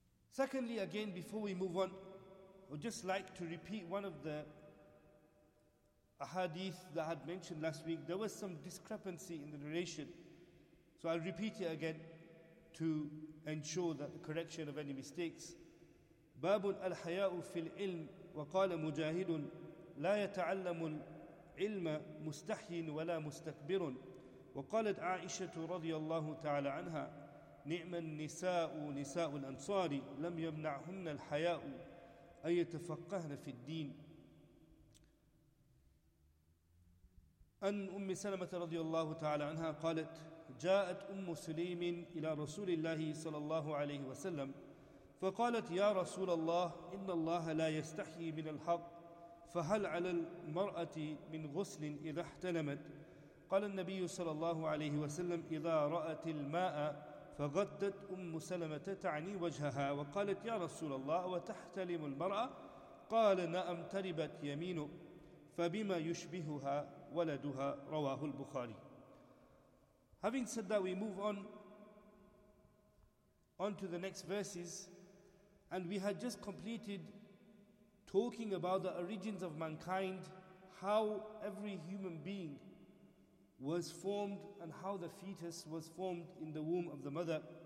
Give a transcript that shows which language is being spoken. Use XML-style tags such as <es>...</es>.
<en>Secondly, again, before we move on, I'd just like to repeat one of the ahadith that I had mentioned last week. There was some discrepancy in the narration, so I'll repeat it again to ensure that the correction of any mistakes.</en> <ar>باب الحياء في العلم وقال مجاهد لا يتعلم العلم مستحي ولا مستكبر وقالت عائشة رضي الله تعالى عنها نعم النساء نساء الأنصار لم يمنعهن الحياء أن يتفقهن في الدين أن أم سلمة رضي الله تعالى عنها قالت جاءت أم سليم إلى رسول الله صلى الله عليه وسلم فقالت يا رسول الله إن الله لا يستحي من الحق فهل على المرأة من غسل إذا احتلمت قال النبي صلى الله عليه وسلم إذا رأت الماء فغدت أم سلمة تعني وجهها وقالت يا رسول الله وتحتلم المرأة قال نعم تربت يمينه فبما يشبهها ولدها رواه البخاري.</ar> <en>Having said that, we move on to the next verses. And we had just completed talking about the origins of mankind, how every human being was formed and how the fetus was formed in the womb of the mother.</en>